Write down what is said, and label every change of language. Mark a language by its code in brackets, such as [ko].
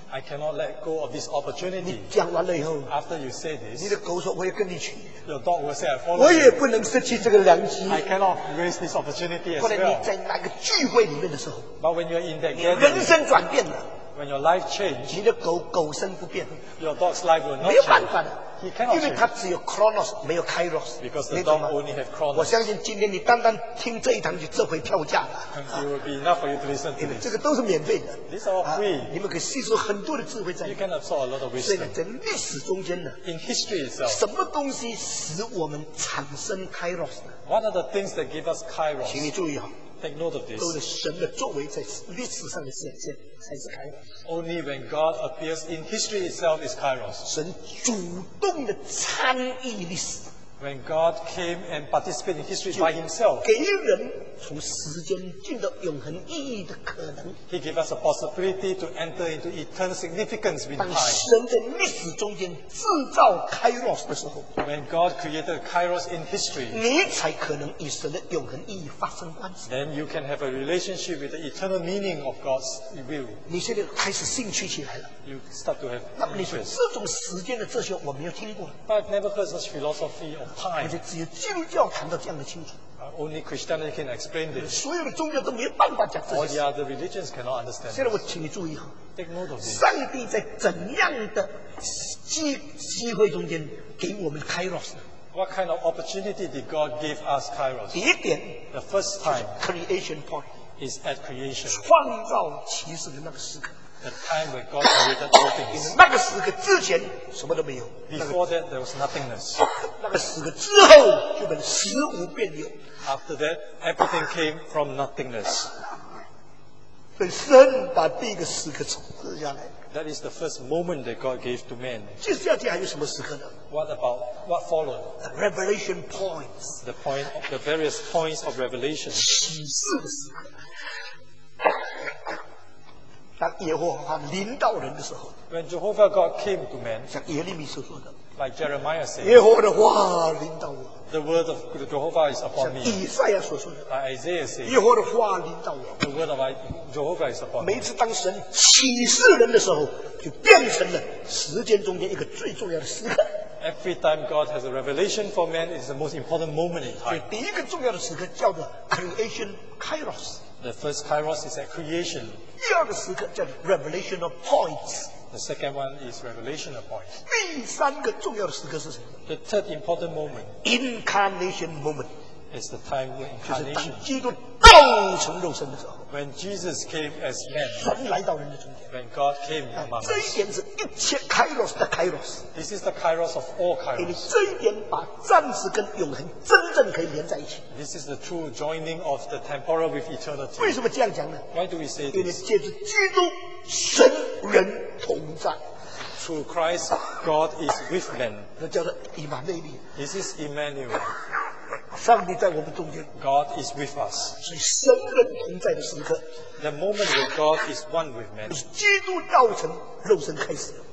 [en] I cannot let go of this opportunity. [zh] 你讲完了以后 [en] ，After you say this， [zh] 你的狗说我也跟你去。 [en] Your dog will say I follow. [zh] 我也不能失去这个良机。 [en] I cannot waste this opportunity as well. [zh] 或者你在那个聚会里面的时候 [en] ，But when you're in that gathering， [zh] 你人生转变了。 [en] When your life changes, [zh] 你的狗狗生不变。 [en] Your dog's life will not change. [zh] 没有办法的。 [en] He cannot change. [zh] 因为它只有 chronos， 没有 kairos。 [en] Because the dog only have chronos. [zh] 我相信今天你单单听这一堂就这回票价了。 [en] It will be enough for you to listen to this. [zh] 这个都是免费的。 [en] These are all free. [zh] 你们可以吸收很多的智慧在。 [en] You can absorb a lot of wisdom. [zh] 所以在历史中间呢 [en] ，In history itself， [zh] 什么东西使我们产生 kairos？ [en] What are the things that give us kairos？ [zh] 请你注意哦。 [en] Take note of this. [zh] 都是神的作为在历史上的显现才是 Kairos. [en] Only when God appears in history itself is Kairos. [zh] 神主动的参与历史。 [en] When God came and participated in history by himself, [zh] 给人从时间进到永恒意义的可能。 [en] He gave us a possibility to enter into eternal significance with time. [zh] 当神在历史中间制造 Kairos 的时候 [en] ，When God created Kairos in history, [zh] 你才可能与神的永恒意义发生关系。 [en] Then you can have a relationship with the eternal meaning of God's will. [zh] 你现在开始兴趣起来了。 [en] You start to have interest. [zh] 那你说这种时间的哲学我没有听过。 [en] But I've never heard such philosophy. [zh] 而且只有基督教谈到这样的清楚。 [en] Only Christianity can explain this. [zh] 所有的宗教都没有办法讲这些。 [en] All the other religions cannot understand. [zh] 现在我请你注意哈。 [en] Take note of this. [zh] 上帝在怎样的机会中间给我们 Kairos？ [en] What kind of opportunity did God give us Kairos？ [zh] 第一点 [en] ，The first time creation point is at creation. [zh] 创造起始的那个时刻。 [en] The time when God created all things. [zh] 那个时刻之前什么都没有。 [en] Before that, there was nothingness. [zh] 那个时刻之后，就本实无变有。 [en] After that, everything came from nothingness. [zh] 本身把第一个时刻创造下来。 [en] That is the first moment that God gave to man. [zh] 接下来还有什么时刻呢？ [en] What about what followed? The revelation points. The point, the various points of revelation. [zh] 启示的时刻。当耶和华临到人的时候 [en] ，When Jehovah God came to man， [zh] 像耶利米所说的 [en] ，Like Jeremiah said， [zh] 耶和华的话临到我 [en] ，The word of Jehovah is upon me， [zh] 像以赛亚所说的 [en] ，Like Isaiah said， [zh] 耶和华的话临到我 [en] ，The word of Jehovah is upon me。 [zh] 每次当神启示人的时候，就变成了时间中间一个最重要的时刻。 [en] Every time God has a revelation for man, it's the most important moment in time。 [zh] 第一个重要的时刻叫做 [en] Creation Kairos。 The first Kairos is at creation. [zh] 第二个时刻叫 [en] revelational points. The second one is revelational points. [zh] 第三个重要的时刻是什么？ [en] The third important moment. Incarnation moment. It's the time when incarnation. [zh] 就是当基督道成肉身的时候。 [en] When Jesus came as man. [zh] 神来到人的中间。 [en] When God came among us. [zh] 这一点是一切 Kairos 的 Kairos. [en] This is the Kairos of all Kairos. [zh] 你这一点把暂时跟永恒真正可以连在一起。 [en] This is the true joining of the temporal with eternity. [zh] 为什么这样讲呢？ [en] Why do we say this? [zh] 因为借着基督神人同在。 [en] Through Christ, God is with man. [zh] 那叫做以马内利。 [en] This is Emmanuel. [zh] 上帝在我们中间 [en] God is with us [zh] 所以神人同在的时刻 [en] The moment when God is one with man [zh] 基督道成肉身开始